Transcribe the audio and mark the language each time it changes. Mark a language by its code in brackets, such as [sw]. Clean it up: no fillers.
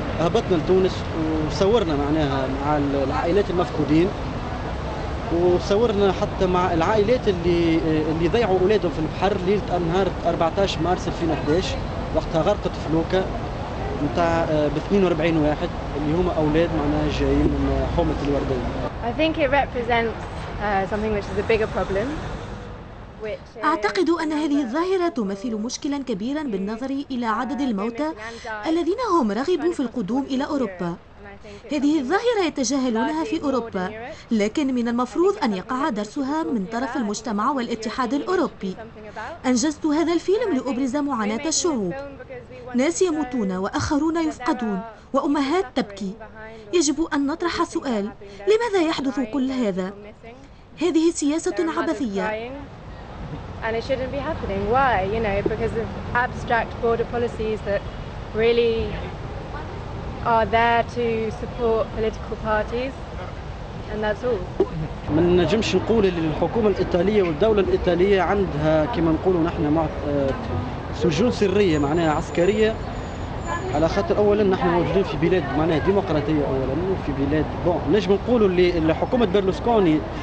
[ar] هبطنا لتونس وصورنا معناها مع العائلات المفقودين، وصورنا حتى مع العائلات اللي ضيعوا اولادهم في البحر ليله نهار 14 مارس 2011 وقتها غرقت فلوكه نتاع ب 42 واحد اللي هما اولاد معناها جايين من حومه الوردين. [en] I think it represents something which is a bigger problem. [ar] أعتقد أن هذه الظاهرة تمثل مشكلاً كبيراً بالنظر إلى عدد الموتى الذين هم رغبوا في القدوم إلى أوروبا. هذه الظاهرة يتجاهلونها في أوروبا، لكن من المفروض أن يقع درسها من طرف المجتمع والاتحاد الأوروبي. أنجزت هذا الفيلم لأبرز معاناة الشعوب. ناس يموتون وآخرون يفقدون وأمهات تبكي. يجب أن نطرح سؤال، لماذا يحدث كل هذا؟ هذه سياسة عبثية. [en] And it shouldn't be happening. Why? You know, because of abstract border policies that really are there to support political parties, and that's all. [ar] ما نجمش نقول للحكومة الإيطالية والدولة الإيطالية عندها كما نقولوا نحن مع سجون سرية معناها عسكرية، على خاطر أولا نحن موجودين في بلاد معناها ديمقراطية، أولا في بلاد بون نجم نقولوا لحكومة برلوسكوني